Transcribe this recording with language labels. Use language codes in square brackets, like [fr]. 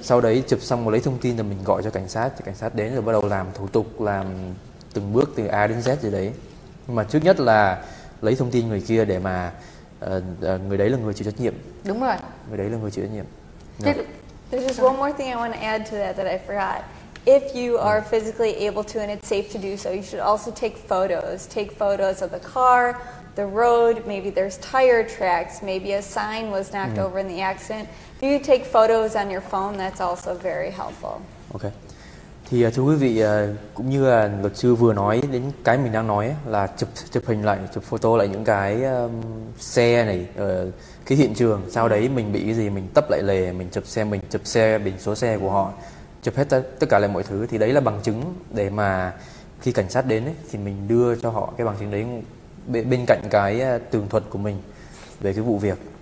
[vi] Sau đấy chụp xong rồi lấy thông tin rồi mình gọi cho cảnh sát, thì cảnh sát đến rồi bắt đầu làm thủ tục, làm từng bước từ A đến Z gì đấy. Nhưng mà trước nhất là lấy thông tin người kia để mà người đấy là người chịu trách nhiệm. Đúng rồi. Người đấy là người chịu trách nhiệm. [en] There's just one more thing I want to add to that I forgot. If you are physically able to and it's safe to do so, you should also take photos. Take photos of the car, the road, maybe there's tire tracks, maybe a sign was knocked over in the accident. If you take photos on your phone, that's also very helpful. Okay. [vi] Thì thưa quý vị, cũng như là luật sư vừa nói đến cái mình đang nói là chụp hình lại, chụp photo lại những cái xe này, cái hiện trường, sau đấy mình bị cái gì mình tấp lại lề, mình chụp xe biển số xe của họ, chụp hết tất cả lại mọi thứ, thì đấy là bằng chứng để mà khi cảnh sát đến ấy, thì mình đưa cho họ cái bằng chứng đấy bên cạnh cái tường thuật của mình về cái vụ việc.